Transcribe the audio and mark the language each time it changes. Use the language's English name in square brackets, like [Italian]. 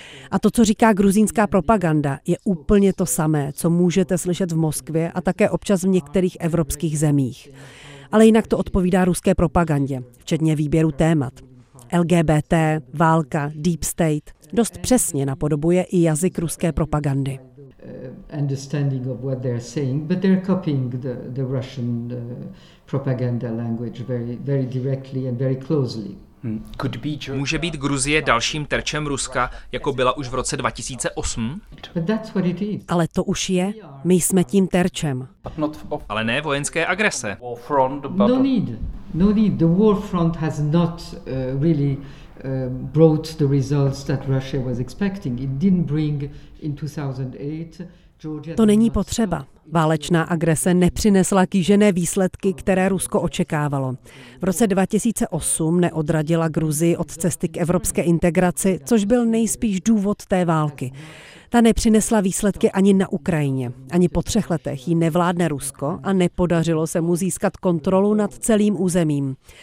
[Czech] A to, co říká gruzínská propaganda, je úplně to samé, co můžete slyšet v Moskvě a také občas v některých evropských zemích. Ale jinak to odpovídá ruské propagandě, včetně výběru témat. LGBT, válka, deep state. Dost přesně napodobuje i jazyk ruské propagandy. [English] Understanding of what they're saying, but they're copying the Russian propaganda language very, very directly and very closely. [Czech] Může být Gruzie dalším terčem Ruska, jako byla už v roce 2008? Ale to už je. My jsme tím terčem. Ale ne vojenské agrese. [English] No need. The war front has not really brought the results that Russia was expecting. It didn't bring in 2008. Georgia. [Czech] To není potřeba. Válečná agrese nepřinesla kýžené výsledky, které Rusko očekávalo. V roce 2008 neodradila Gruzii od cesty k evropské integraci, což byl nejspíš důvod té války. Ta nepřinesla výsledky ani na Ukrajině. Ani po třech letech jí nevládne Rusko a nepodařilo se mu získat kontrolu nad celým územím.